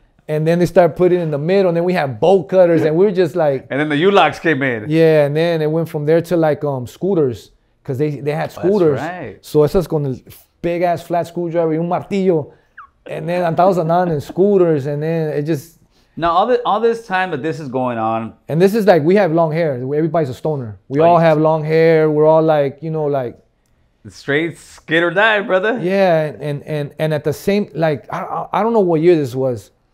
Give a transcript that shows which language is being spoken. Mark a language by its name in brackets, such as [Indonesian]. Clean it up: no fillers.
[English] And then they start putting it in the middle. And then we have bolt cutters and we're just like. And then the U-locks came in. Yeah, and then it went from there to like scooters. Because they had scooters. Oh, that's right. [Spanish] So eso es con el [English] big ass flat screwdriver [Spanish] y un martillo. [English] And then [Spanish] andamos andando [English] in scooters and then it just. Now, all this time that this is going on. And this is like, we have long hair. Everybody's a stoner. We all have long hair. We're all like, you know, like. Straight skate or die, brother. Yeah. And at the same, like, I don't know what year this was.